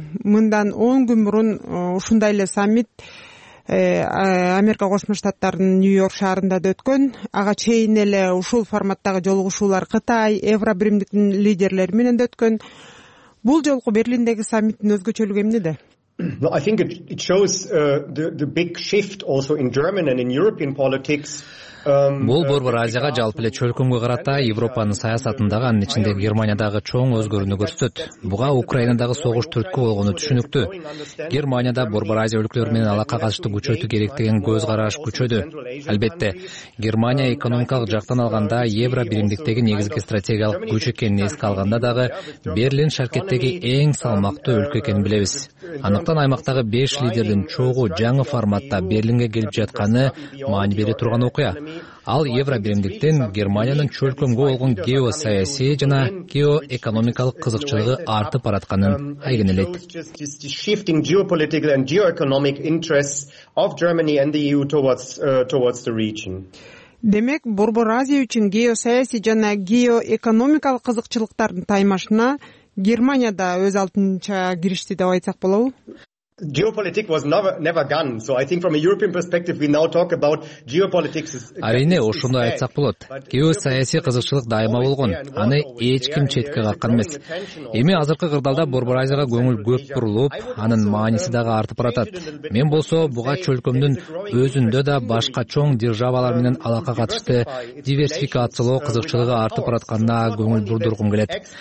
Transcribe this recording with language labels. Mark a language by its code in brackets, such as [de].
[ky] Мындан 10 күн мурун ушундай эле саммит Америка Кошмо Штаттарынын Нью-Йорк шаарында да өткөн. Ага чейин эле ушул форматтагы жолугушуулар Кытай, Евробиримдиктин лидерлери менен да өткөн. Бул жолку Берлиндеги саммиттин өзгөчөлүгү эмнеде? [en] I think it shows the big shift also in German and in European politics. [ky] Бул Борбор Азияга жалпы эле чөлкөмгө карата Европанын саясатындагы, анын ичинде Германиядагы чоң өзгөрүүнү көрсөтөт. Буга Украинадагы согуш түрткү болгону түшүнүктүү. Германияда Борбор Азия өлкөлөрү менен алака катышты күчөтүү керек деген көз караш күчөдү. Албетте, Германия экономикалык жактан алганда Евро биримдиктеги негизги стратегиялык күч экенин эске алганда дагы Берлин шаркеттеги эң салмактуу өлкө экенин билебиз. Андыктан аймактагы 5 лидердин чогуу жаңы форматта Берлинге келип жатканы маани бере турган окуя. Ал Евробиримдиктин Германиянын чөлкөмгө болгон геосаясий жана геоэкономикалык кызыкчылыгы артып баратканын айгинелейт. [en] Shifting geopolitical and geoeconomic interests of Germany and the EU towards the region. [ky] Демек, Борбор Азия үчүн геосаясий жана геоэкономикалык кызыкчылыктардын таймашына Германия да өз алдынча киришти деп айтсак болобу? [en] Geopolitics was never gone. So I think from a European perspective we now talk about geopolitics is [ky] Арине ошондой айтсак болот. Геосаясий кызыкчылык дайыма болгон. Аны эч ким четке каккан эмес. Эми азыркы кырдаалда Борбор Азияга көңүл көп бурулуп, анын мааниси дагы артып баратат. Мен болсо буга чөлкөмдүн өзүндө да башка чоң державалар менен алака катышты диверсификациялоо кызыкчылыгы артып баратканына көңүл бурдургум келет.